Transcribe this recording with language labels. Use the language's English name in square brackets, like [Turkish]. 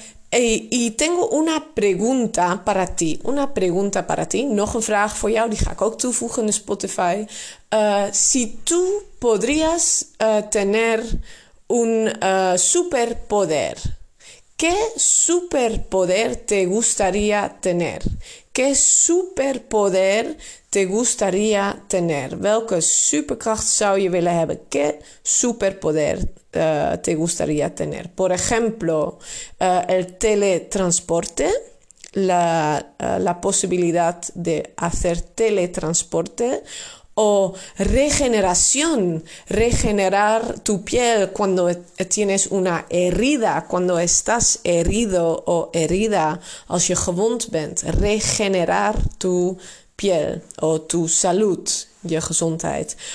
[Spanish] Y tengo una pregunta para ti, [Dutch] nog een vraag voor jou, die ga ik ook toevoegen in Spotify. [Spanish] Si tú podrías tener un superpoder, ¿qué superpoder te gustaría tener? ¿Qué superpoder te gustaría tener? [Dutch] ¿Welke superkracht zou je willen hebben? [Spanish] ¿Qué superpoder te gustaría tener? Por ejemplo, el teletransporte, la posibilidad de hacer teletransporte o regeneración, regenerar tu piel cuando tienes una herida, cuando estás herido o herida, [Dutch] als je gewond bent, [Spanish] regenerar tu piel o tu salud. [Dutch] Je gezondheid.